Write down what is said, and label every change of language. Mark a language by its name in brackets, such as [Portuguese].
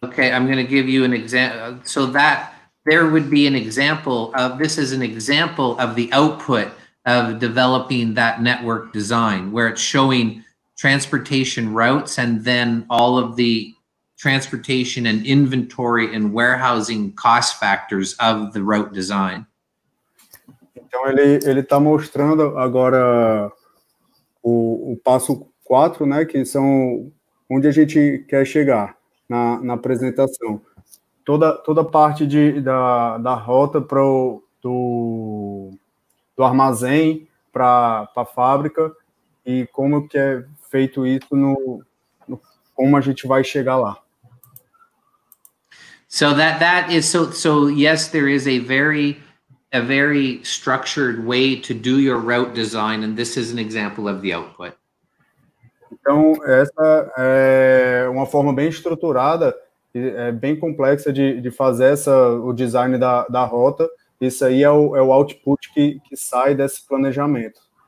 [English] Okay, I'm going to give you an example. So that there would be an example of, this is an example of the output of developing that network design, where it's showing transportation routes and then all of the transportation and inventory and warehousing cost factors of the route design. [Portuguese] Então, ele está mostrando agora o passo 4, né, que são onde a gente quer chegar. Na apresentação, toda parte da rota para do armazém para a fábrica e como que é feito isso no como a gente vai chegar lá. [English] So that is so yes, there is a very structured way to do your route design, and this is an example of the output. [Portuguese] Então, essa é uma forma bem estruturada, é bem complexa de fazer o design da rota. Isso aí é o output que sai desse planejamento.